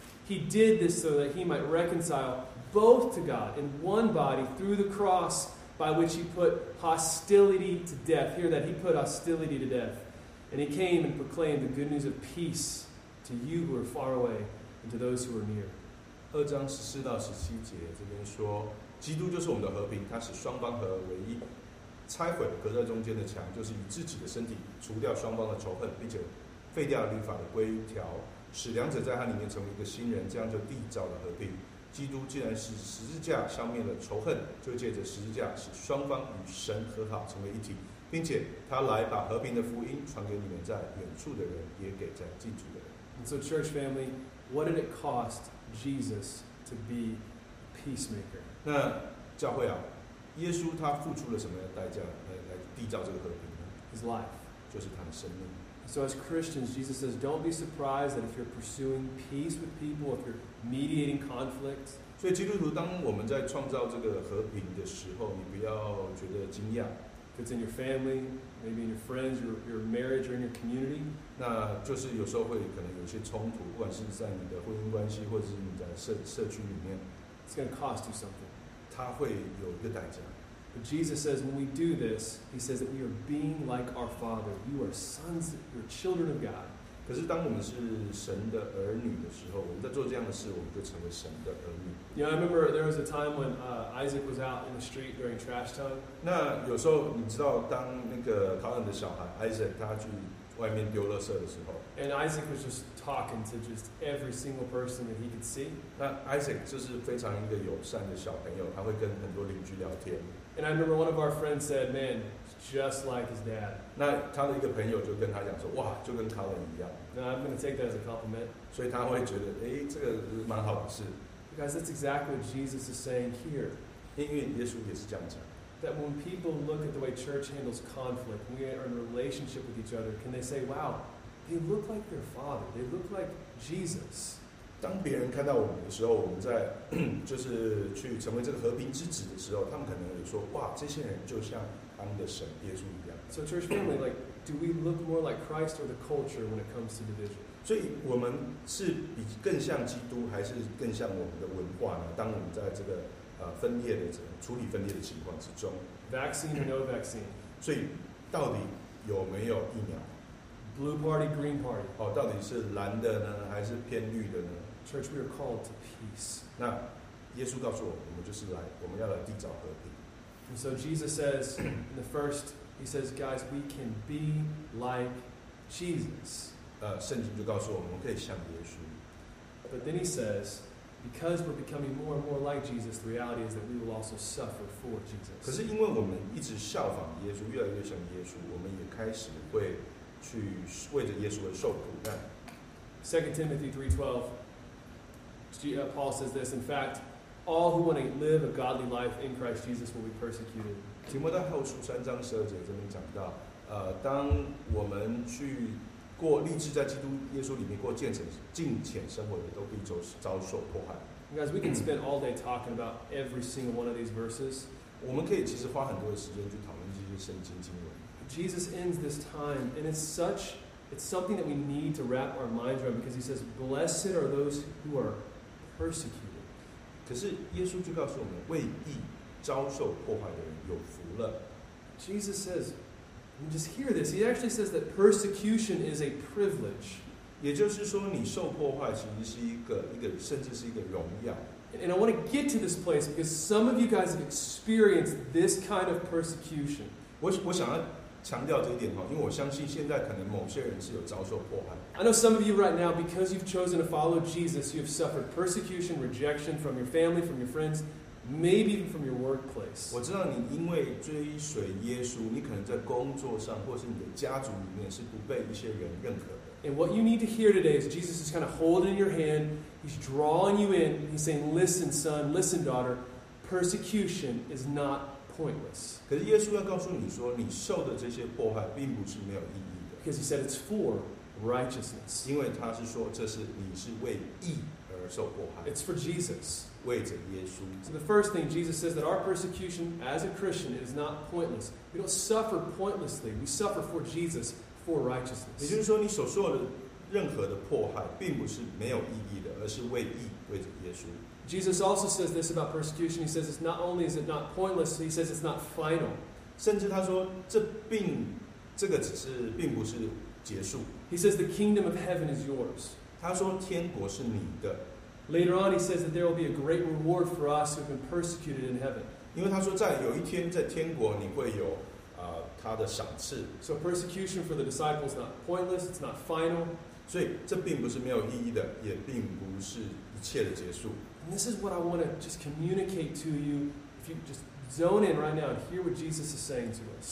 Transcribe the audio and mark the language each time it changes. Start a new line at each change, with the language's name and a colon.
English: He did this so that he might reconcile both to God in one body through the cross, by which he put hostility to death. Hear that, he put hostility to death. And he came and proclaimed the good news of peace to you who are far away and to those who are near.
Chinese: 2章14到17节这边说，基督就是我们的和平，他使双方合而为一，拆毁隔在中间的墙，就是以自己的身体除掉双方的仇恨，并且废掉律法的规条，使两者在他里面成为一个新人，这样就缔造了和平。基督既然是十字架消灭了仇恨，就借着十字架使双方与神和好成为一体，并且他来把和平的福音传给你们在远处的人，也给在近处的人。
English: So church family, what did it cost Jesus to be peacemaker?
Chinese: 那教会啊，耶稣他付出了什么代价来缔造这个和平呢
English: ？His life，
Chinese: 就是他的生命。
English: So as Christians, Jesus says, don't be surprised that if you're pursuing peace with people, if you're mediating conflict.
Chinese: 所以基督徒，当我们在创造这个和平的时候，你不要觉得惊讶。
English: If it's in your family, maybe in your friends, your marriage, or in your community.
Chinese: 那就是有时候会可能有些冲突，不管是在你的婚姻关系，或者是你在社区里面。
English: It's going to cost you something.
Chinese: 它会有一个代价。
English: But Jesus says, when we do this, he says that we are being like our Father. You are sons, you're children of God.
Chinese: 可是当我们是神的儿女的时候，我们在做这样的事，我们就成为神的儿女。
English: You know, I remember there was a time when Isaac was out in the street during trash time.
Chinese: 那有时候你知道，当那个 Colin 的小孩 Isaac 他去外面丢垃圾的时候。
English: And Isaac was just talking to just every single person that he could see.
Chinese: 那 Isaac 就是非常一个友善的小朋友，他会跟很多邻居聊天。
English: And I remember one of our friends said, "Man, just like his dad."
Chinese: 那他的一个朋友就跟他讲说，哇，就跟 Colin 一样。
English: Now I'm going to take that as a compliment.
Chinese: 所以他会觉得，哎，这个蛮好的事。
English: Because that's exactly what Jesus is saying here.
Chinese: 因为耶稣也是这样讲。
English: That when people look at the way church handles conflict, when we are in relationship with each other, can they say, "Wow, they look like their father. They look like Jesus."
Chinese: 当别人看到我们的时候，我们在就是去成为这个和平之子的时候，他们可能也说，哇，这些人就像他们的神耶稣一样。
English: So church family, like, do we look more like Christ or the culture when it comes to division?
Chinese: 所以我们是比更像基督，还是更像我们的文化呢？当我们在这个分裂的处理分裂的情况之中
English: ，vaccine or no vaccine，
Chinese: 所以到底有没有疫苗
English: ？Blue party, green party，
Chinese: 哦，到底是蓝的呢，还是偏绿的呢
English: ？Church, we are called to peace。
Chinese: 那耶稣告诉我，我们就是来，我们要来缔造和平。
English: And so Jesus says in the first, he says, guys, we can be like Jesus。
Chinese: 圣经就告诉我们，我们可以像耶稣。
English: But then he says。 Because we're becoming more and more like Jesus, the reality is that we will also suffer for Jesus.
Chinese: 可是因为我们一直效仿耶稣，越来越像耶稣，我们也开始会去为着耶稣而受苦难。
English: 2 Timothy 3:12, Paul says this. In fact, all who want to live a godly life in Christ Jesus will be persecuted.
Chinese: 提摩太后书三章十二节这边讲到，当我们去过立志在基督耶稣里面过敬虔生活的，都必遭受迫害。
English: Guys, we can spend all day talking about every single one of these verses.
Chinese: 我们可以其实花很多的时间去讨论这些圣经经文。
English: Jesus ends this time, and it's something that we need to wrap our minds around because he says, "Blessed are those who are persecuted."
Chinese: 可是耶稣就告诉我们，为义遭受迫害的人有福了。
English: Jesus says. And just hear this. He actually says that persecution is a privilege.
Chinese: 也就是说，你受迫害其实是一个，甚至是一个荣耀。
English: And I want to get to this place because some of you guys have experienced this kind of persecution.
Chinese: 我想要强调这一点哈，因为我相信现在可能某些人是有遭受迫害。
English: I know some of you right now, because you've chosen to follow Jesus, you have suffered persecution, rejection from your family, from your friends. Maybe even from your workplace.
Chinese: 我知道你因为追随耶稣，你可能在工作上，或是你的家族里面是不被一些人认可的。
English: And what you need to hear today is Jesus is kind of holding your hand. He's drawing you in. He's saying, "Listen, son. Listen, daughter. Persecution is not pointless."
Chinese: 可是耶稣要告诉你说，你受的这些迫害并不是没有意义的。
English: Because he said it's for righteousness.
Chinese: 因为他是说，这是你是为义而受迫害。
English: It's for Jesus.
Chinese: 为着耶稣。
English: So the first thing Jesus says that our persecution as a Christian is not pointless. We don't suffer pointlessly. We suffer for Jesus, for righteousness.
Chinese: 也就是说，你所受的任何的迫害，并不是没有意义的，而是为义，为着耶稣。
English: Jesus also says this about persecution. He says it's not only is it not pointless. He says it's not final.
Chinese: 甚至他说，并不是结束。
English: He says the kingdom of heaven is yours.
Chinese: 他说天国是你的。
English: Later on, he says that there will be a great reward for us who have been persecuted in heaven.
Chinese: 因为他说在有一天在天国你会有他的赏赐。
English: So persecution for the disciples is not pointless, it's not final.
Chinese: 所以这并不是没有意义的，也并不是一切的结束。
English: And this is what I want to just communicate to you, if you just zone in right now and hear what Jesus is saying to us.